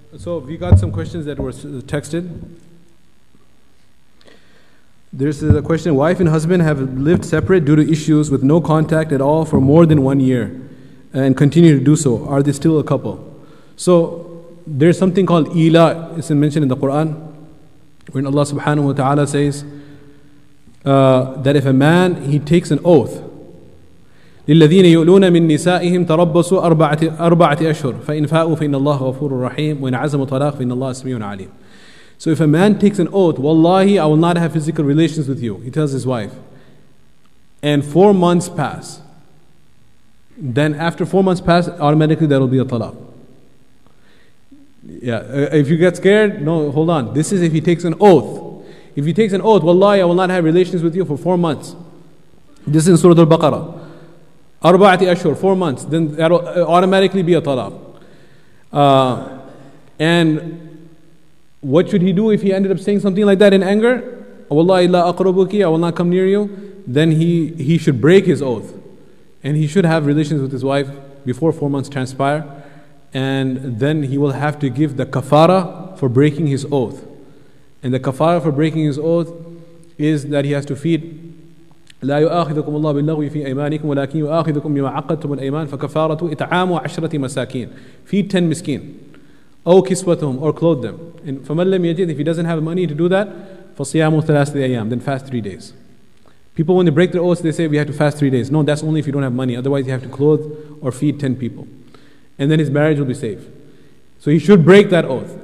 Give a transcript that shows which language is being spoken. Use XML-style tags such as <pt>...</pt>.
<en>So we got some questions that were texted. There's a question: wife and husband have lived separate due to issues with no contact at all for more than 1 year and continue to do so. Are they still a couple? So there's something called ila. It's mentioned in the Quran when Allah subhanahu wa ta'ala says that if a man, he takes an oath,</en> <ar>لِلَّذِينَ يُؤْلُونَ مِن نِسَائِهِمْ تَرَبَّصُوا أَرْبَعَةِ أَشْهُرُ فَإِنْ فَاءُوا فَإِنَّ اللَّهَ غَفُورٌ رَحِيمٌ وَإِنْ عَزَمُوا طَلَاقٌ فَإِنَّ اللَّهَ سَمِيعٌ عَلِيمٌ.</ar> <en>So if a man takes an oath, wallahi, I will not have physical relations with you, he tells his wife, and 4 months pass, then after 4 months pass, automatically there will be a talaq. Yeah, if you get scared, no, hold on. This is if he takes an oath. If he takes an oath, wallahi, I will not have relations with you for 4 months. This is in Surah Al-Baqarah.</en> <ar>Arba'ati ashur,</ar> <en>4 months, then that'll automatically be a talaq. And what should he do if he ended up saying something like that in anger?</en> <ar>Wallahi la aqrabuki,</ar> <en>I will not come near you. Then he should break his oath. And he should have relations with his wife before 4 months transpire. And then he will have to give the kafara for breaking his oath. And the kafara for breaking his oath is that he has to feed.</en> <ar>لا يؤاخذكم الله باللغو في أيمانكم ولكن يؤاخذكم بما عقدتم الأيمان فكفارته إطعام عشرة مساكين.</ar> <en>Feed 10</en> <ar>مسكين أو كسوتهم</ar> <en>or clothe them. And</en> <ar>فمن لم يجد,</ar> <en>if he doesn't have money to do that,</en> <ar>فصيام ثلاثة أيام,</ar> <en>then fast 3 days. People, when they break their oaths, they say we have to fast 3 days. No, that's only if you don't have money. Otherwise, you have to clothe or feed 10 people. and then his marriage will be safe. So he should break that oath.</en>